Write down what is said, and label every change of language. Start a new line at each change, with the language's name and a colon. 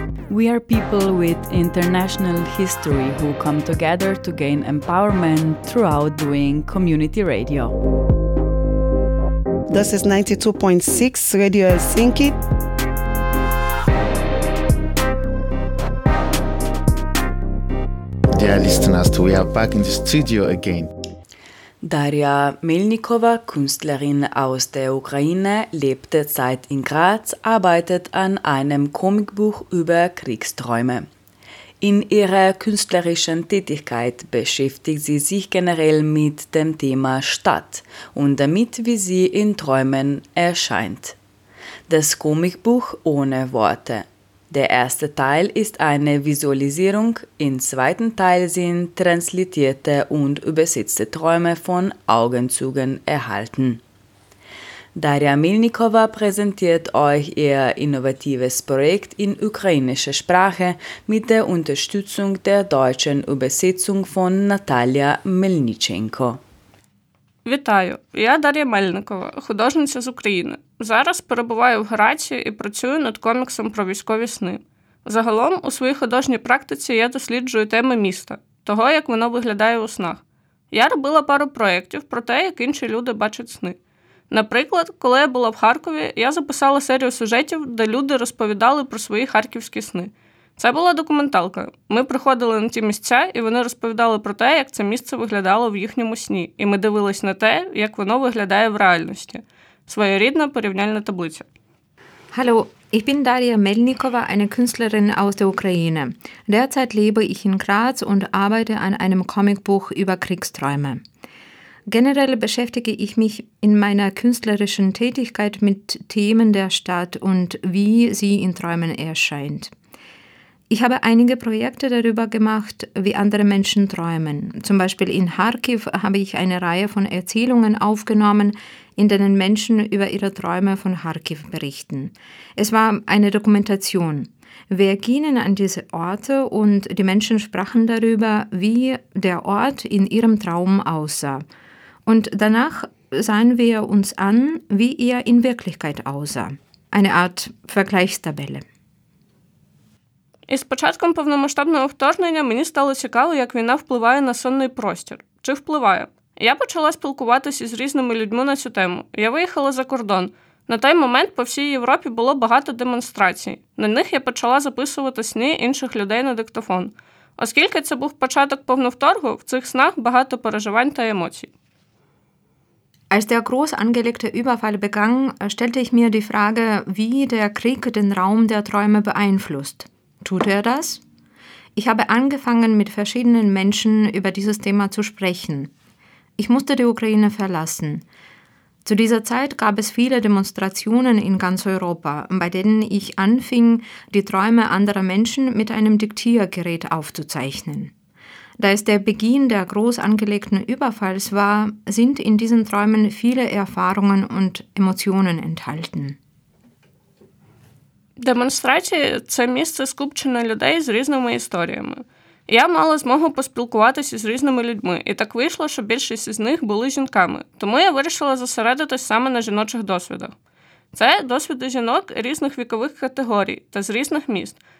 English: We are people with international history who come together to gain empowerment throughout doing community radio. This is 92.6 Radio Helsinki. Dear listeners, we are back in the studio again.
German: Daria Melnikova, Künstlerin aus der Ukraine, lebte Zeit in Graz, arbeitet an einem Comicbuch über Kriegsträume. In ihrer künstlerischen Tätigkeit beschäftigt sie sich generell mit dem Thema Stadt und damit, wie sie in Träumen erscheint. Das Comicbuch ohne Worte. Der erste Teil ist eine Visualisierung, im zweiten Teil sind translitierte und übersetzte Träume von Augenzügen erhalten. Daria Melnikova präsentiert euch ihr innovatives Projekt in ukrainischer Sprache mit der Unterstützung der deutschen Übersetzung von Natalia Melnichenko.
Ukrainian: Вітаю, я Дар'я Мельникова, художниця з України. Зараз перебуваю в Граці і працюю над коміксом про військові сни. Загалом, у своїй художній практиці я досліджую теми міста, того, як воно виглядає у снах. Я робила пару проєктів про те, як інші люди бачать сни. Наприклад, коли я була в Харкові, я записала серію сюжетів, де люди розповідали про свої харківські сни. Це була документалка. Ми приходили на ті місця, і вони розповідали про те, як це місце виглядало в їхньому сні. І ми дивились на те, як воно виглядає в реальності. Своєрідна порівняльна таблиця.
German: Hallo, ich bin Daria Melnikova, eine Künstlerin aus der Ukraine. Derzeit lebe ich in Graz und arbeite an einem Comicbuch über Kriegsträume. Generell beschäftige ich mich in meiner künstlerischen Tätigkeit mit Themen der Stadt und wie sie in Träumen erscheint. Ich habe einige Projekte darüber gemacht, wie andere Menschen träumen. Zum Beispiel in Kharkiv habe ich eine Reihe von Erzählungen aufgenommen, in denen Menschen über ihre Träume von Kharkiv berichten. Es war eine Dokumentation. Wir gingen an diese Orte und die Menschen sprachen darüber, wie der Ort in ihrem Traum aussah. Und danach sahen wir uns an, wie er in Wirklichkeit aussah. Eine Art Vergleichstabelle.
Ukrainian: Із початком повномасштабного вторгнення мені стало цікаво, як війна впливає на сонний простір. Чи впливає? Я почала спілкуватися з різними людьми на цю тему. Я виїхала за кордон. На той момент по всій Європі було багато демонстрацій. На них я почала записувати сни інших людей на диктофон. Оскільки це був початок повновторгу, в цих снах багато переживань та емоцій.
German: Als der groß angelegte Überfall begann, stellte ich mir die Frage, wie der Krieg den Raum der Träume beeinflusst. Tut er das? Ich habe angefangen, mit verschiedenen Menschen über dieses Thema zu sprechen. Ich musste die Ukraine verlassen. Zu dieser Zeit gab es viele Demonstrationen in ganz Europa, bei denen ich anfing, die Träume anderer Menschen mit einem Diktiergerät aufzuzeichnen. Da es der Beginn der groß angelegten Überfalls war, sind in diesen Träumen viele Erfahrungen und Emotionen enthalten.
Ukrainian: Демонстрації – це місце скупчення людей з різними історіями. Я мала змогу поспілкуватися з різними людьми, і так вийшло, що більшість із них були жінками. Тому я вирішила зосередитись саме на жіночих досвідах. Це досвіди жінок різних вікових категорій та з різних міст.